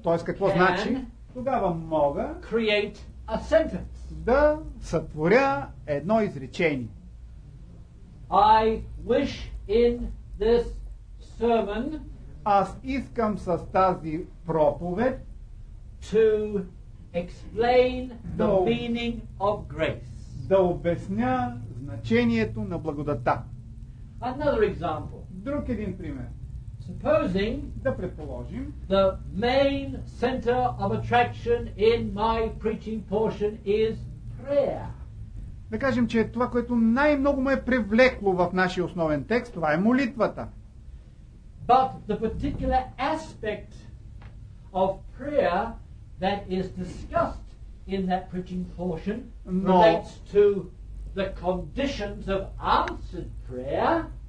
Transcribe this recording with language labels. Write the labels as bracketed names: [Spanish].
[Bulgarian] тоест какво значи, тогава мога [English] create a sentence, [Bulgarian] да сътворя едно изречение. [English] I wish in this sermon, [Bulgarian] аз искам с тази проповед [English] to explain the meaning of grace, [Bulgarian] да обясня значението на благодата. [English] Another example. [Bulgarian] Друг един пример. [English] It's Supposing [Bulgarian] да предположим, [English] the main center of attraction in my preaching portion is prayer. [Bulgarian] Да кажем, че това, което най-много ме е привлекло в нашия основен текст, това е молитвата. [English] But the particular aspect of prayer that is discussed in that preaching portion relates to the conditions of answered prayer.